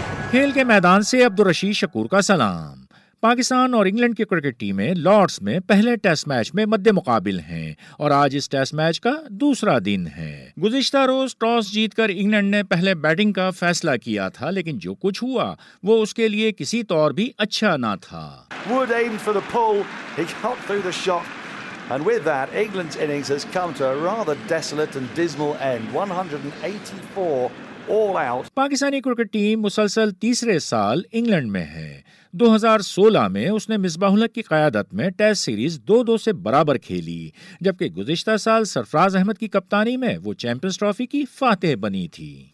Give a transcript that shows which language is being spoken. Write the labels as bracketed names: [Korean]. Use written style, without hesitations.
[Hindi] खेल के मैदान से अब्दुल रशीद शकूर का सलाम. पाकिस्तान और इंग्लैंड की क्रिकेट टीमें लॉर्ड्स में पहले टेस्ट मैच में मध्य मुकाबिल हैं, और आज इस टेस्ट मैच का दूसरा दिन है. गुज़िश्ता रोज टॉस जीतकर इंग्लैंड ने पहले बैटिंग का फैसला किया था, लेकिन जो कुछ हुआ वो उसके लिए किसी तौर भी अच्छा ना था. [English] Wood aimed for the pull. He got through the shot. And with that, England's innings has come to a rather desolate and dismal end. 184 All out. [Hindi] Pakistani cricket team मुसलसल तीसरे साल इंग्लैंड में है. 2016 में उसने मिसबाहुलक की कयादत में टेस्ट सीरीज 2-2 से बराबर खेली, जबकि गुज़िश्ता साल सरफराज अहमद की कप्तानी में वो चैंपियंस ट्रॉफी की फातह बनी थी.